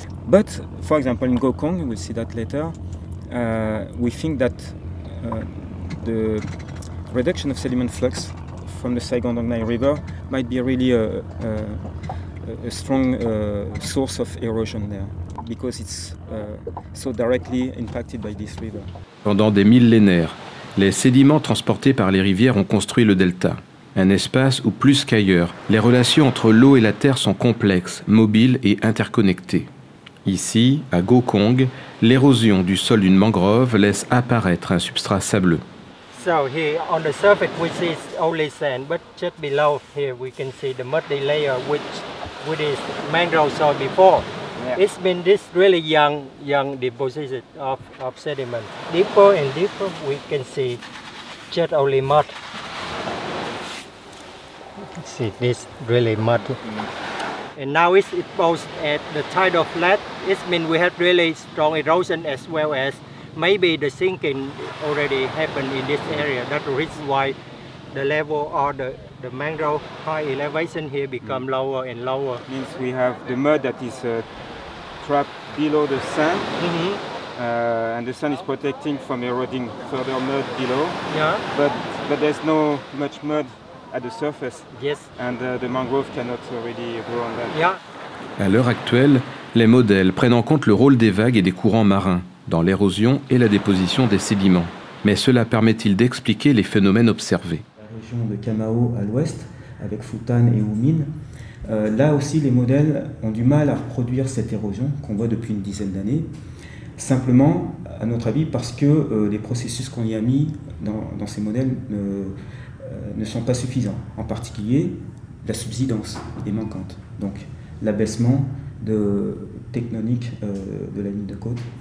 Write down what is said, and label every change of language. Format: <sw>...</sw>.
<en>But for example, in Gokong, we'll see that later, we think that the reduction of sediment flux from the Saigon Dong Nai River might be really a strong source of erosion there, because it's so directly impacted by this river.</en> <fr>Pendant des millénaires, les sédiments transportés par les rivières ont construit le delta, un espace où plus qu'ailleurs, les relations entre l'eau et la terre sont complexes, mobiles et interconnectées. Ici, à Gokong, l'érosion du sol d'une mangrove laisse apparaître un substrat sableux.</fr> <en>So here on the surface we see only sand, but just below here we can see the muddy layer which is mangrove soil before. Yeah. It's been this really young deposit of sediment. Deeper and deeper we can see just only mud. See this really mud. Mm. And now it's exposed at the tidal flat. It means we have really strong erosion as well as maybe the sinking already happened in this area. That's the reason why the level or the mangrove high elevation here become lower and lower. Means we have the mud that is trapped below the sand, mm-hmm. And the sand is protecting from eroding further mud below. Yeah. But there's no much mud at the surface. Yes. And the mangrove cannot really grow on that. Yeah.</en> <fr>À l'heure actuelle, les modèles prennent en compte le rôle des vagues et des courants marins dans l'érosion et la déposition des sédiments. Mais cela permet-il d'expliquer les phénomènes observés? La région de Camao à l'ouest, avec Futan et Umin, là aussi les modèles ont du mal à reproduire cette érosion qu'on voit depuis une dizaine d'années, simplement, à notre avis, parce que les processus qu'on y a mis dans ces modèles ne sont pas suffisants, en particulier la subsidence est manquante, donc l'abaissement de tectonique de la ligne de côte.</fr>